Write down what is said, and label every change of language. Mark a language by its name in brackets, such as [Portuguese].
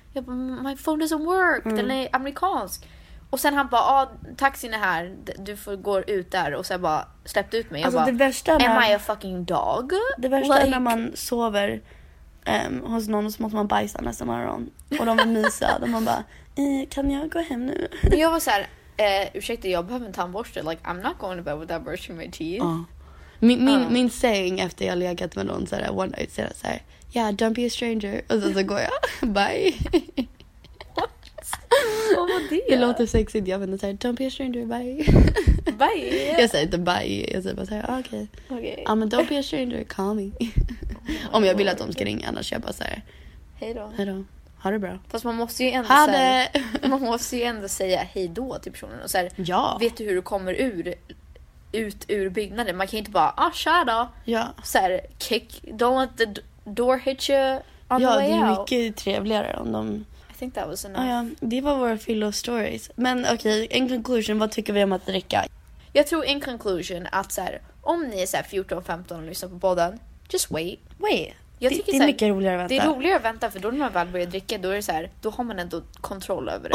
[Swedish] Jag bara, [English] my phone doesn't work. [Swedish] Den är amerikansk. Och sen han bara, taxin är här, du får gå ut där. Och sen bara, släppte ut mig. Alltså, jag bara, det värsta när, [English] am I a fucking dog? [Swedish] Det värsta är när man sover hos någon som måste man bajsa nästa morgon. Och de var mysa. Och man bara, kan jag gå hem nu? Jag var så här, ursäkta, jag behöver en tandborste. [English] Like, I'm not going to bed without brushing my teeth. [Swedish] Min saying efter jag legat med någon så här, [English] one night, [Swedish] så här, [English] yeah, don't be a stranger. [Swedish] Och sen så går jag, bye. Det låter sexigt, jag menar såhär, [English] don't be a stranger, bye. Bye. [Swedish] Jag säger inte bye, jag säger bara såhär, okej. [English] Okay. [Swedish] Men [English] don't be a stranger, call me. [Swedish] Om jag vill att de ska ringa, annars jag bara såhär, hej då. Ha det bra. Fast man måste ju ändå, ha det. Såhär, man måste ju ändå säga hej då till personen. Och såhär, vet du hur du kommer ut ur byggnaden? Man kan ju inte bara, tja då. Ja. Såhär, [English] kick, don't let the door hit you on the way out. [Swedish] Ja, det är mycket trevligare om de... [English] I think that was enough. [Swedish] Ja, det var våra fyllo stories. Men okej, [English] in conclusion, [Swedish] vad tycker vi om att dricka? Jag tror [English] in conclusion [Swedish] att så här, om ni är så här 14-15 och lyssnar på podden, [English] just wait. Wait. [Swedish] Det är mycket roligare att vänta. Det är roligare att vänta, för då när man väl börjar dricka, då är det så här, då har man ändå kontroll över det.